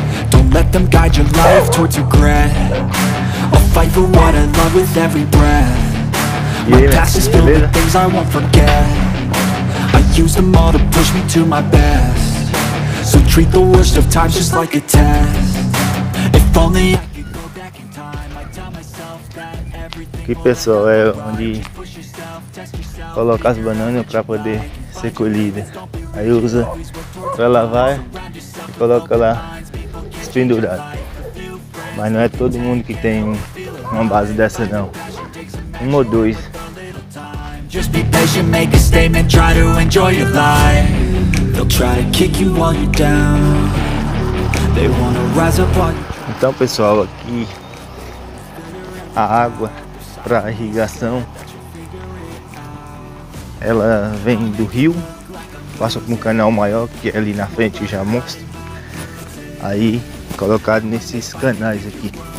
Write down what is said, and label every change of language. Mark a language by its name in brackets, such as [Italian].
[English] Don't let them guide your life towards regret. I'll fight for what I love with every breath. My past is filled with things I won't forget. I use them all to push me to my best. So treat the worst of times just like a test. If only I could go back in time, I'd tell myself that everything. [Portuguese] Aqui, pessoal, é onde colocar as bananas para poder ser colhida. Aí usa para lavar e coloca lá pendurado. Mas não é todo mundo que tem uma base dessa, não. Um ou dois. [English] Just be patient, make a statement, try to enjoy your life. They'll try to kick you while you're down. They wanna rise up while you're... [Portuguese] Então, pessoal, aqui a água para irrigação, ela vem do rio, passa por um canal maior que é ali na frente, eu já mostro. Aí colocado nesses canais aqui.